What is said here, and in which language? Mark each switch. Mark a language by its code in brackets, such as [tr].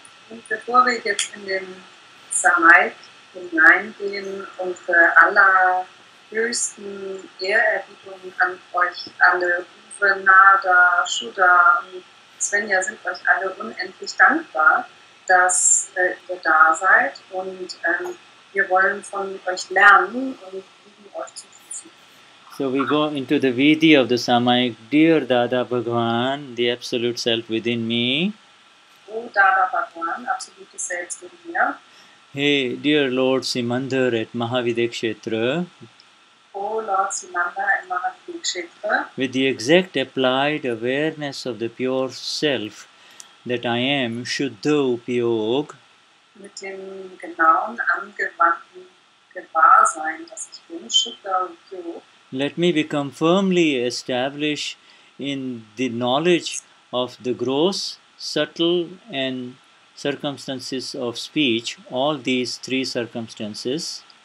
[de] Und bevor wir jetzt in den Samayik hineingehen, unsere allerhöchsten Ehrerbietungen an euch alle Vrnada, Shuddha und Svenja sind euch alle unendlich dankbar, dass ihr da seid und wir wollen von euch lernen und lieben euch zu Füßen. [en] So we go into the Vidhi of the Samayik. Dear Dada Bhagwan, the Absolute Self within me. O Dada Bhagwan, Absolute Self within me. Hey, dear Lord Simandhar at Mahavidekshetra. Oh Lord Simandhar at Mahavidekshetra. With the exact applied awareness of the pure self that I am, Shuddha Upyog. [de] Mit dem genauen, angewandten Gewahrsein, dass ich bin, Shuddha Upyog. [en] Let me become firmly established in the knowledge of the gross, subtle and circumstances of speech, all these three circumstances.